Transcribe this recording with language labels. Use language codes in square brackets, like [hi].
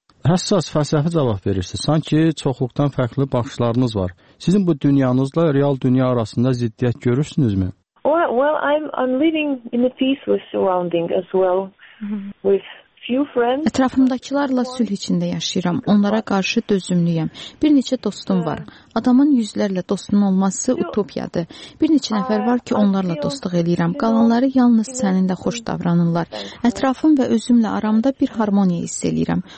[az] Həssas fəlsəfi cavab verirsiniz, sanki çoxluqdan fərqli baxışlarınız var. Sizin bu dünyanızla real dünya arasında ziddiyyət görürsünüzmü? [en] Well, I'm living in a peace with surrounding as well, with few friends. [az] Ətrafımdakılarla sülh içində yaşayıram. Onlara qarşı dözümlüyəm. Bir neçə dostum var. Adamın yüzlərlə dostun olması utopiyadır. Bir neçə nəfər var ki, onlarla dostluq eləyirəm. Qalanları yalnız səninlə xoş davranırlar. Ətrafım və özümlə aramda bir harmoniya hiss eləyirəm.